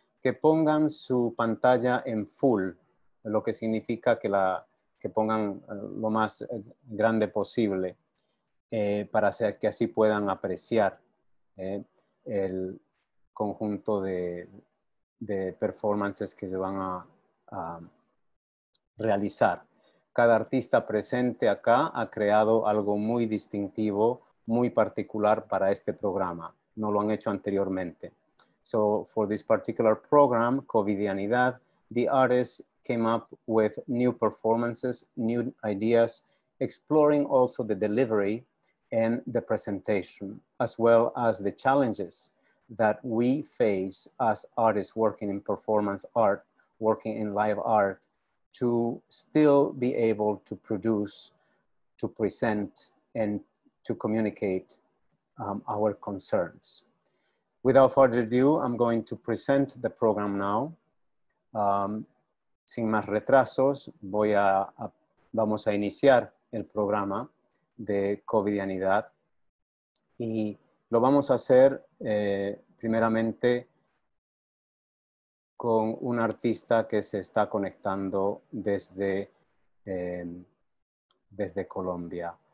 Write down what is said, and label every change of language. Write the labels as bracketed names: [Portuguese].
[Spanish] que pongan su pantalla en full, lo que significa que pongan lo más grande posible para que así puedan apreciar el conjunto de performances que se van a realizar. Cada artista presente acá ha creado algo muy distintivo, muy particular para este programa. No lo han hecho anteriormente. [English] So, for this particular program, COVIDianidad, the artists came up with new performances, new ideas, exploring also the delivery and the presentation, as well as the challenges that we face as artists working in performance art, working in live art, to still be able to produce, to present, and to communicate our concerns. Without further ado, I'm going to present the program now. [Spanish] Sin más retrasos, vamos a iniciar el programa de COVIDianidad. Y lo vamos a hacer primeramente con un artista que se está conectando desde Colombia.